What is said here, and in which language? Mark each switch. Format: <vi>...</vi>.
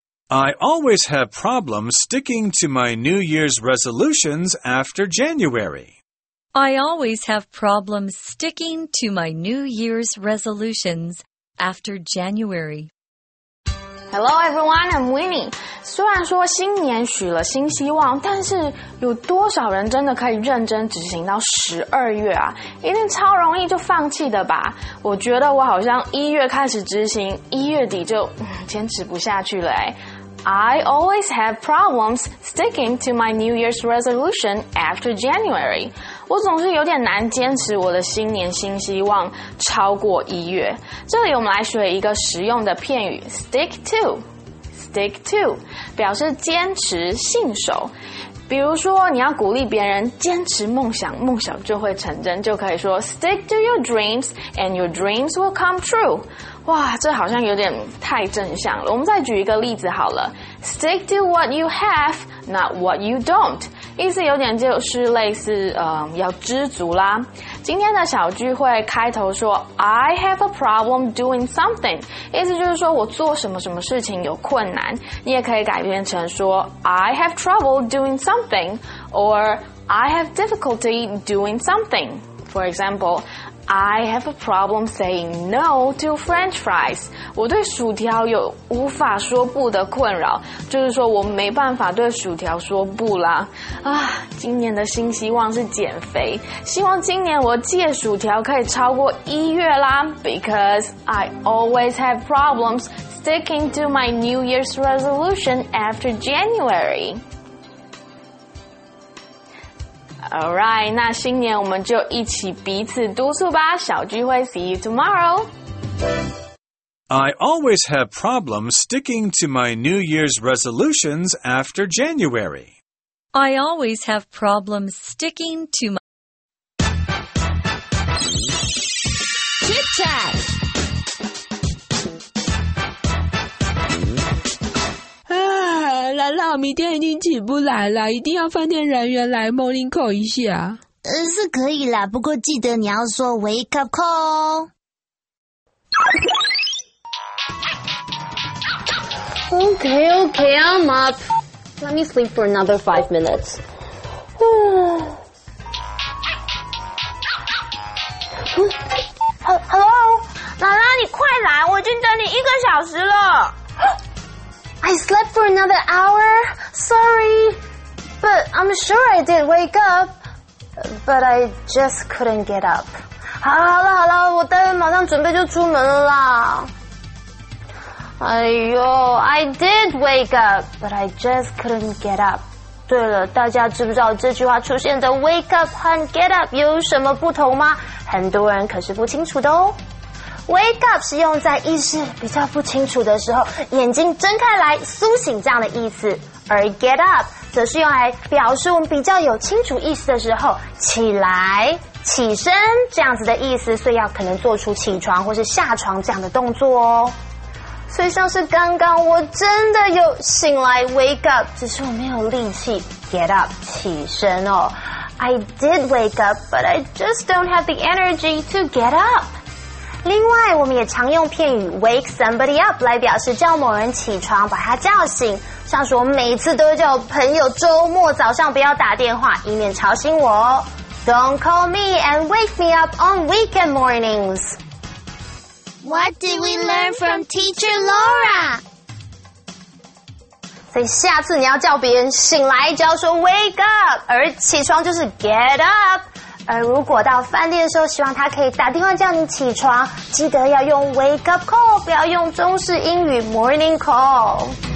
<en>I always have problems sticking to my New Year's resolutions after January. I always have problems sticking to my New Year's resolutions after January. Hello, everyone. I'm Winnie.</en> <zh>虽然说新年许了新希望，但是有多少人真的可以认真执行到12月啊？一定超容易就放弃的吧？我觉得我好像1月开始执行，1月底就坚持不下去了。</zh> <en>I always have problems sticking to my New Year's resolution after January.</en> <zh>我总是有点难坚持我的新年新希望超过一月。这里我们来学一个实用的片语 stick to。</zh> <en>Stick to 表示坚持信守，比如说你要鼓励别人坚持梦想，梦想就会成真，就可以说 Stick to your dreams and your dreams will come true。</en> <zh>哇，这好像有点太正向了。我们再举一个例子好了，</zh> <en>Stick to what you have, not what you don't。</en> <zh>意思有点就是类似要知足啦。今天的小句会开头说</zh> <en>I have a problem doing something，</en> <zh>意思就是说我做什么什么事情有困难。你也可以改变成说</zh> <en>I have trouble doing something or I have difficulty doing something. For example, I have a problem saying no to French fries.</en> <zh>我对薯条有无法说不的困扰，就是说我没办法对薯条说不啦。啊，今年的新希望是减肥，希望今年我戒薯条可以超过一月啦。</zh> <en>Because I always have problems sticking to my New Year's resolution after January.</en> <zh>Alright, 那新年我们就一起彼此督促吧。小聚会</zh> <en>,see you tomorrow! I always have problems sticking to my New Year's resolutions after January. I always have problems sticking to my... Chit Chat!</en> <zh>那我明天已经起不来了，一定要饭店人员来 morning call 一下。是可以啦，不过记得你要说 wake up call 哦。</zh> <en>Okay, okay, I'm up. Let me sleep for another 5 minutes.</en> <zh>Hello, 拉拉，你快来，我已经等你一个小时了。</zh> <en>I slept for another hour, sorry, but I'm sure I did wake up, but I just couldn't get up.</en> <zh>好了好了，我待会马上准备就出门了啦。哎呦</zh> <en>，I did wake up, but I just couldn't get up.</en> <zh>对了，大家知不知道这句话出现的 wake up 和 get up 有什么不同吗？很多人可是不清楚的哦。Wake up 是用在意识比较不清楚的时候，眼睛睁开来苏醒这样的意思，而 get up 则是用来表示我们比较有清楚意识的时候起来起身这样子的意思，所以要可能做出起床或是下床这样的动作哦。所以像是刚刚我真的有醒来 wake up， 只是我没有力气 get up 起身哦。</zh> <en>I did wake up but I just don't have the energy to get up。</en> <zh>另外我们也常用片语 wake somebody up 来表示叫某人起床把他叫醒，像是我每次都会叫我朋友周末早上不要打电话以免吵醒我。</zh> <en>Don't call me and wake me up on weekend mornings. What did we learn from teacher Laura?</en> <zh>所以下次你要叫别人醒来就要说 wake up， 而起床就是 get up。而如果到饭店的时候希望他可以打电话叫你起床，记得要用 wake up call， 不要用中式英语 morning call。</zh>